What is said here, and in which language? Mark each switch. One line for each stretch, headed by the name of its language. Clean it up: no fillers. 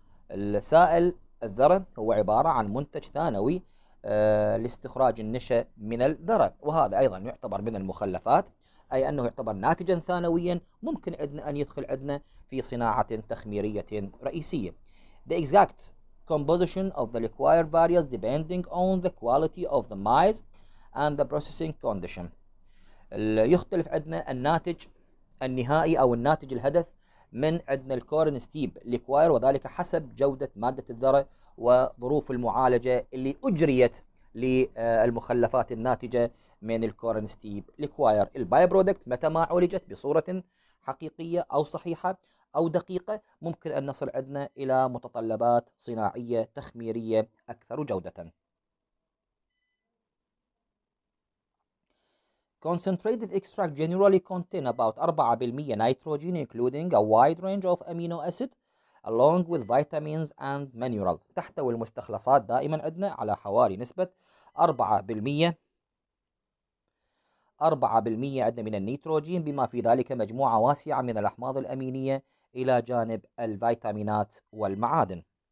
Arabic: السائل الذرة هو عبارة عن منتج ثانوي لاستخراج النشا من الذرة، وهذا أيضا يعتبر من المخلفات، أي أنه يعتبر ناتجا ثانويا ممكن عندنا أن يدخل عندنا في صناعة تخميرية رئيسية.
English: The exact composition of the liquor varies depending on the quality of the maize and the processing condition.
Arabic: يختلف عندنا الناتج النهائي أو الناتج الهدف من عندنا الكورن ستيب ليكواير، وذلك حسب جودة مادة الذرة وظروف المعالجة اللي أجريت للمخلفات الناتجة من الكورن ستيب ليكواير. الباي برودكت متى ما عولجت بصورة حقيقية أو صحيحة أو دقيقة ممكن أن نصل عندنا إلى متطلبات صناعية تخميرية أكثر جودة.
English: Concentrated extract generally contain about 4% nitrogen, including a wide range of amino acid, along with vitamins and mineral.
Arabic: تحتوي المستخلصات دائما عندنا على حوالي نسبة 4%. 4% عندنا من النيتروجين بما في ذلك مجموعة واسعة من الأحماض الأمينية إلى جانب الفيتامينات والمعادن.